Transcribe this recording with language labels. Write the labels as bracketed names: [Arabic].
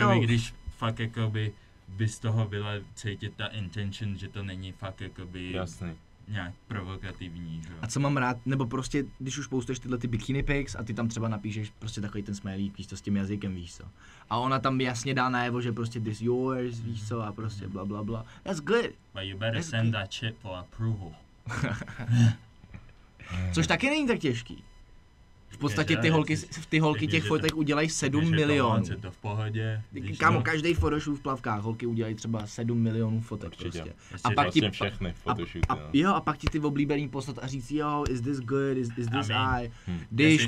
[Czech] jakoby, když fakt jakoby by z toho byla cítit ta intention, že to není fakt jakoby... Jasný. Nějak provokativní, že? A co mám rád, nebo prostě, když už postuješ tyhle ty [English] bikini pics [Czech] a ty tam třeba napíšeš prostě takový ten smiley, víš co, s tím jazykem, víš co. A ona tam jasně dá najevo, že prostě [English] this yours, [Czech] víš co, a prostě bla bla bla. [English] That's good. But you better send that shit for approval. [Czech] Což taky není tak těžký. V podstatě ty holky, těch fotek udělají 7 milionů. Je to v pohodě. Kámo, každý photoshoot v plavkách, holky udělají třeba 7 milionů fotek. Určitě. Prostě. A pak vlastně ti, všechny photoshooty. Jo, a pak ti ty oblíbený poslat a říct, jo, [English] is this good, is this I. [Czech] Když jestli...